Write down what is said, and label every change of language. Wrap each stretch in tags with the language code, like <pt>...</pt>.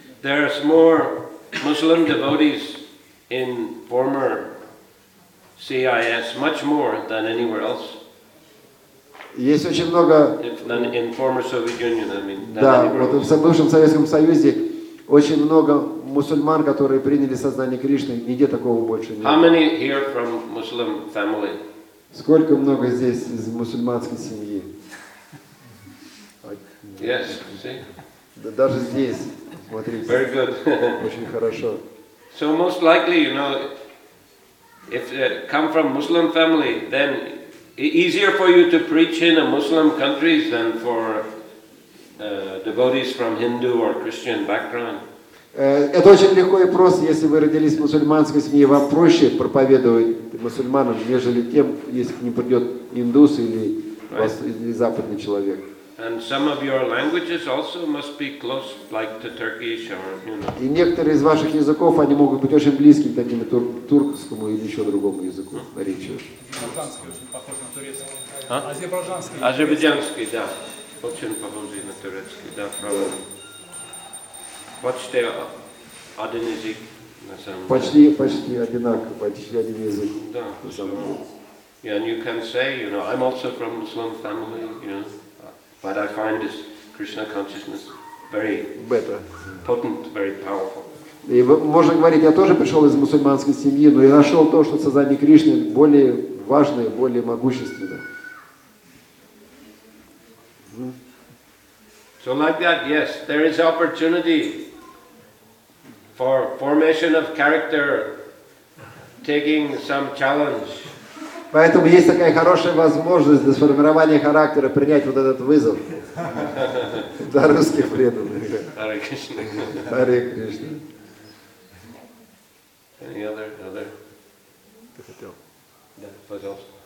<en>There are more Muslim devotees in former CIS, much more than anywhere else.</en> <ru>Есть очень много.</ru> <en>In former Soviet Union, I mean.</en> <ru>Да, вот в бывшем Советском Союзе очень много мусульман, которые приняли сознание Кришны. Нигде такого больше нет.</ru> <en>How many here from Muslim family?</en> <ru>Сколько много здесь из мусульманской семьи?</ru> <en>Yes, see.</en> <ru>Да даже здесь, смотрите.</ru> <en>Very good.</en> <ru>Очень хорошо.</ru> <en>So most likely, you know, if they come from Muslim family, then easier for you to preach in a Muslim country than for devotees from Hindu or Christian background?</en> <ru>Это очень легко и просто, если вы родились в мусульманской семье, вам проще проповедовать мусульманам, нежели тем, если к ним придет индус или,</ru> <en>right.</en> <ru>вас, или западный человек.</ru> <en>And some of your languages also must be close, like to Turkish or, you know.</en> <ru>И некоторые из ваших языков, они могут быть очень близки к таким туркскому или еще другому языку, речи. Азербайджанский очень похож на турецкий. А? Азербайджанский. Азербайджанский, да. Очень похожий на турецкий, да, правильно. Почти один язык, на самом деле. Почти одинаково, почти один язык. Да, на самом деле.</ru> <en>And you can say, you know, I'm also from Muslim family, you know, but I find this Krishna consciousness very better. Potent, very powerful.</en> <ru>И можно говорить, я тоже пришел из мусульманской семьи, но я нашел то, что сознание Кришны более важное, более могущественное.</ru> <en>So like that, yes, there is opportunity for formation of character, taking some challenge.</en> <ru>Поэтому есть такая хорошая возможность для сформирования характера, принять вот этот вызов. Да, русских преданных.</ru> <sa>Hare Krishna. Hare Krishna.</sa> <en>Any other? Other?</en> <ru>Ты хотел? Да, пожалуйста.</ru>